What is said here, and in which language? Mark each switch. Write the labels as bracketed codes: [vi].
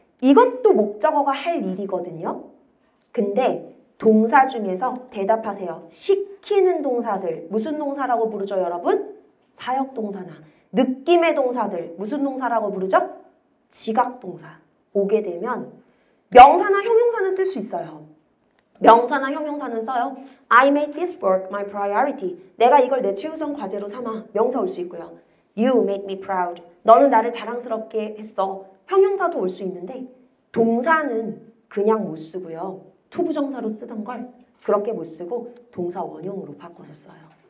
[ko] 이것도 목적어가 할 일이거든요. 근데 동사 중에서 대답하세요. 시키는 동사들. 무슨 동사라고 부르죠, 여러분? 사역동사나. 느낌의 동사들 무슨 동사라고 부르죠? 지각동사. 오게 되면 명사나 형용사는 쓸 수 있어요. 명사나 형용사는 써요. [en] I made this work my priority. [ko] 내가 이걸 내 최우선 과제로 삼아. 명사 올 수 있고요. [en] You made me proud. [ko] 너는 나를 자랑스럽게 했어. 형용사도 올 수 있는데 동사는 그냥 못 쓰고요. 투부정사로 쓰던 걸 그렇게 못 쓰고 동사 원형으로 바꿔서 써요.